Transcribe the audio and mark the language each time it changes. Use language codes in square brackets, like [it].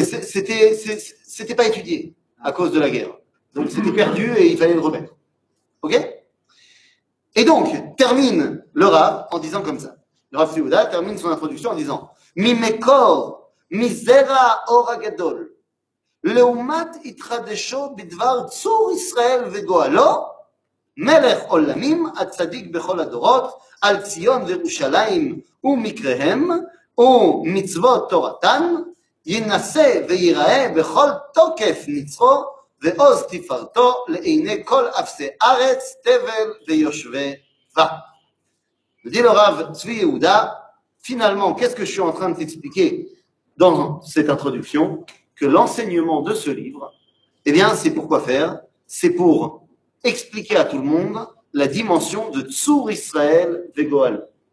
[fr] C'était pas étudié à cause de la guerre. Donc c'était perdu et il fallait le remettre. OK? Et donc, termine le Rav en disant comme ça. Le Rav Yehuda termine son introduction en disant [he] Mimekor מזרע האור הגדול, לעומת התחדשו בדבר צור ישראל וגואלו, מלך עולמים הצדיק בכל הדורות, על ציון וירושלים ומקריהם, ומצוות תורתן, ינסה ויראה בכל תוקף נצרו, ועוז תפארתו לעיני כל אפסי ארץ, תבל ויושבי בה. [fr] ודיל הרב צבי יהודה, finalement, qu'est-ce que je suis en train de t'expliquer? Dans cette introduction, que l'enseignement de ce livre, eh bien, c'est pour quoi faire ? C'est pour expliquer à tout le monde la dimension de Tzur Israël Vegoal.